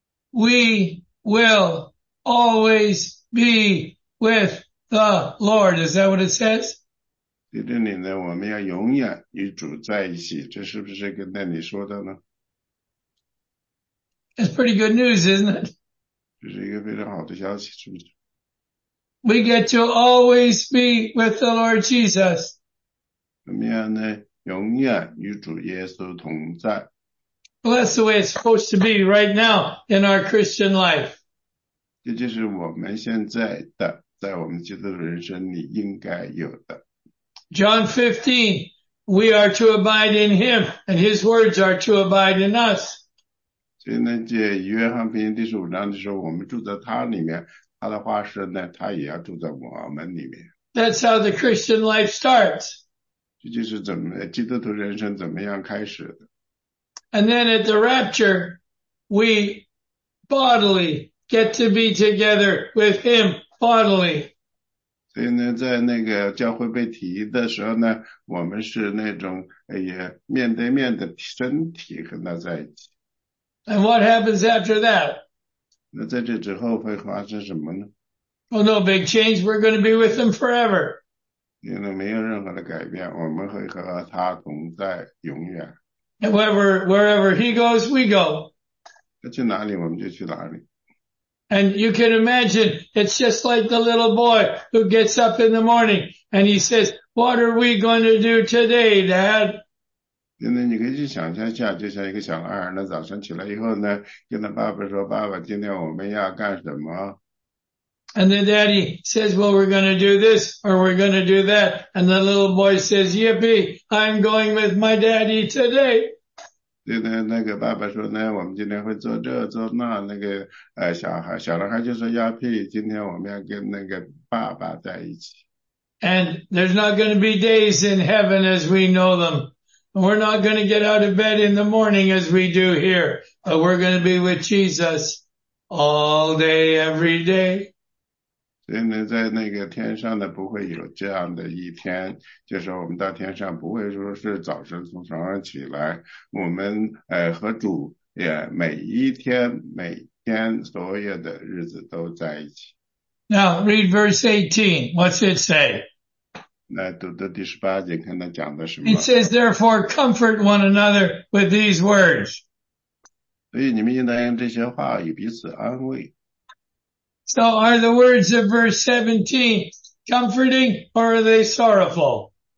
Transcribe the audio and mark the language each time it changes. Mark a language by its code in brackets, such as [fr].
[en] We will always be with him. The Lord, is that what it says? [zh] 在这里呢，我们要永远与主在一起，这是不是跟那里说的呢？ [en] That's pretty good news, isn't it? [zh] 这是一个非常好的消息，是不是？ [en] We get to always be with the Lord Jesus. [zh] 怎么样呢？永远与主耶稣同在。 [en] Well, that's the way it's supposed to be right now in our Christian life. [zh] 这就是我们现在的，在我们基督的人生里应该有的。 [en] John 15, we are to abide in him, and his words are to abide in us. [zh] 所以呢，这约翰福音第十五章就说，我们住在他里面，他的话是呢，他也要住在我们里面。 [en] That's how the Christian life starts. [zh] 这就是怎么基督徒人生怎么样开始的。 [en] And then at the rapture, we bodily get to be together with him bodily. [zh] 所以呢，在那个教会被提的时候呢，我们是那种也面对面的身体和他在一起。 [en] And what happens after that? [zh] 那在这之后会发生什么呢？ [en] Well, no big change. We're going to be with him forever. [zh] 因为没有任何的改变，我们会和他同在永远。 [en] And wherever he goes, we go. [zh] 他去哪里，我们就去哪里。 [en] And you can imagine, it's just like the little boy who gets up in the morning and he says, what are we going to do today, Dad? [zh] 现在你可以去想象一下，就像一个小孩儿，那早上起来以后呢，跟他爸爸说：“爸爸，今天我们要干什么？” [en] And then daddy says, "Well, we're going to do this or we're going to do that." And the little boy says, "Yippee! I'm going with my daddy today." [zh] 现在那个爸爸说呢：“我们今天会做这做那。” 那个小男孩就说 ：“Yippee! 今天我们要跟那个爸爸在一起。” [en] And there's not going to be days in heaven as we know them. We're not going to get out of bed in the morning as we do here, but we're going to be with Jesus all day, every day. [zh] 所以呢，在那个天上呢，不会有这样的一天，就是我们到天上不会说是早晨从床上起来，我们和主也每一天每天所有的日子都在一起。 [en] Now read verse 18. What's it say? [zh] 来读读第十八节，看他讲的什么。 [en] It says, therefore, comfort one another with these words. [zh] 所以你们应当用这些话与彼此安慰。 [en] So are the words of verse 17 comforting or are they sorrowful?